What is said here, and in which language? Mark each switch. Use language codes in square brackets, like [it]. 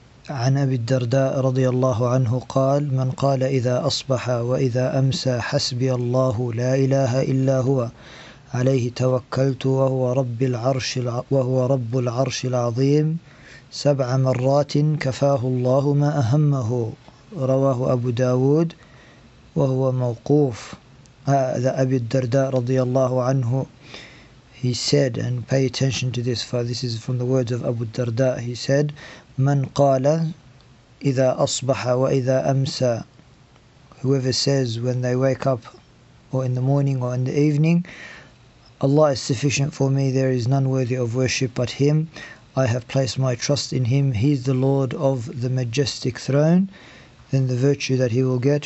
[ar] عن أبي الدرداء رضي الله عنه قال من قال إذا أصبح وإذا أمسى حسبي الله لا إله إلا هو عليه توكلت وهو رب العرش العظيم سبع مرات كفاه الله ما أهمه. رواه أبو داود وهو موقوف. هذا أبي الدرداء رضي الله عنه. [en] He said, and pay attention to this, for this is from the words of Abu Darda. He said, [ar] من قال إذا أصبح وإذا أمسى. [en] Whoever says when they wake up, or in the morning or in the evening, Allah is sufficient for me, there is none worthy of worship but Him, I have placed my trust in Him, He is the Lord of the Majestic Throne, then the virtue that he will get.